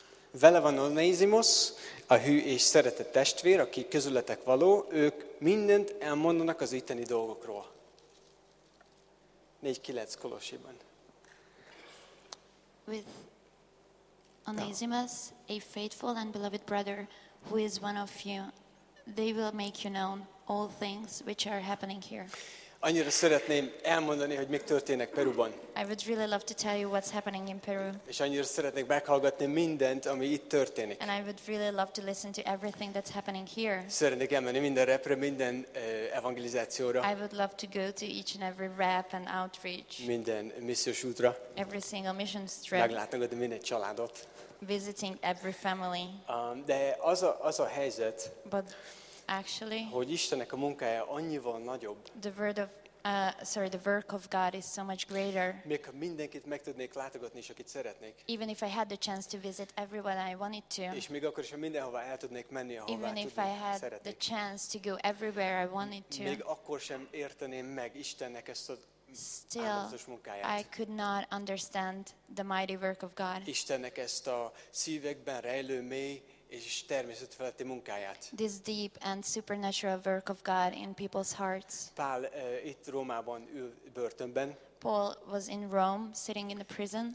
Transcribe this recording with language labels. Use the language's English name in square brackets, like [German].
[Hungarian] Vele van Onésimos, a hű és szeretett testvér, aki közületek való, ők mindent elmondanak az itteni dolgokról. 4-9 Kolossiban. [English] With Onésimos, a faithful and beloved brother, who is one of you, they will make you known all things which are happening here. [Hungarian] Annyira szeretném elmondani, hogy mi történik Perúban. [English] I would really love to tell you what's happening in Peru. [Hungarian] És annyira szeretnék meghallgatni mindent, ami itt történik. [English] And I would really love to listen to everything that's happening here. [Hungarian] Szeretnék elmenni minden repre, minden evangelizációra. [English] I would love to go to each and every rep and outreach. [Hungarian] Minden missziós útra. [English] Every single mission trip. [Hungarian] Meglátogatni minden családot. [English] Visiting every family. [Hungarian] De az a helyzet. [English] But actually, [Hungarian] hogy Istennek a munkája annyival nagyobb. [English] The work of God is so much greater. [Hungarian] Még ha mindenkit meg tudnék látogatni, és akit szeretnék. [English] Even if I had the chance to visit everyone I wanted to. [Hungarian] És még akkor is, ha mindenhova el tudnék menni, ahová [English] Even if I had [Hungarian] szeretnék. [English] The chance to go everywhere I wanted to. [Hungarian] Még akkor sem érteném meg Istennek ezt a [English] Still, I could not understand the mighty work of God. [Hungarian] Istennek ezt a szívekben rejlő mély és természet feletti munkáját. [English] This deep and supernatural work of God in people's hearts. [Hungarian] Pál itt Rómában ül börtönben. [English] Paul was in Rome, sitting in the prison.